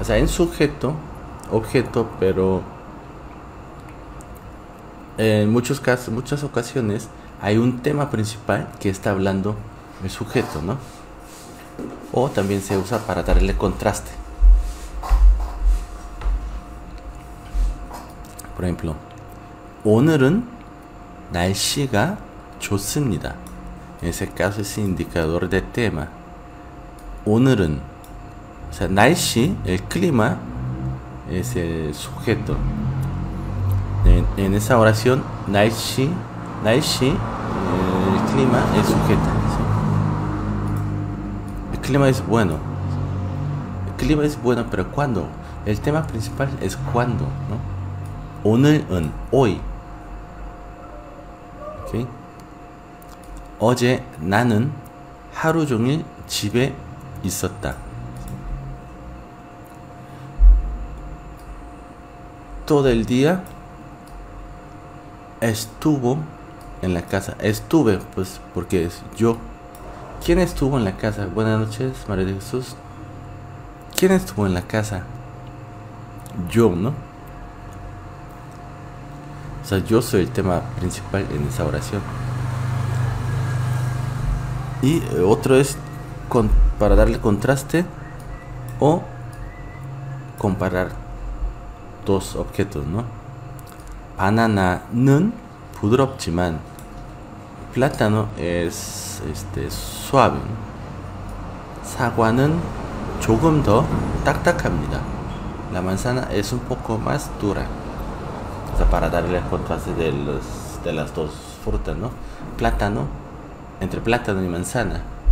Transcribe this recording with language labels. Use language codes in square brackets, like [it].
[es] O sea, en sujeto, objeto, pero en muchos casos, muchas ocasiones, hay un tema principal que está hablando el sujeto, ¿no? O también se usa para darle contraste. Por ejemplo, [ko] 오늘은 날씨가 좋습니다. [es] En ese caso es indicador de tema. 오늘은, o sea, 날씨, el clima, es el sujeto. En esa oración, 날씨, el clima es sujeto, ¿sí? El clima es bueno. El clima es bueno, pero ¿cuándo? El tema principal es cuándo, ¿no? [ko] 오늘은, hoy. [en] ¿Okay? [ko] 어제 나는 하루 종일 집에 있었다. [es] Todo el día estuvo en la casa. Estuve, pues, porque es yo. ¿Quién estuvo en la casa? Buenas noches, María de Jesús. ¿Quién estuvo en la casa? Yo, ¿no? O sea, yo soy el tema principal en esa oración. Y otro es para darle contraste o comparar dos objetos, ¿no? [ko] Banana는 부드럽지만 [es] plátano es suave, ¿no? [ko] 사과는 조금 더 딱딱합니다. [es] La manzana es un poco más dura. O sea, para darle contraste de las dos frutas, ¿no? Plátano, entre plátano y manzana.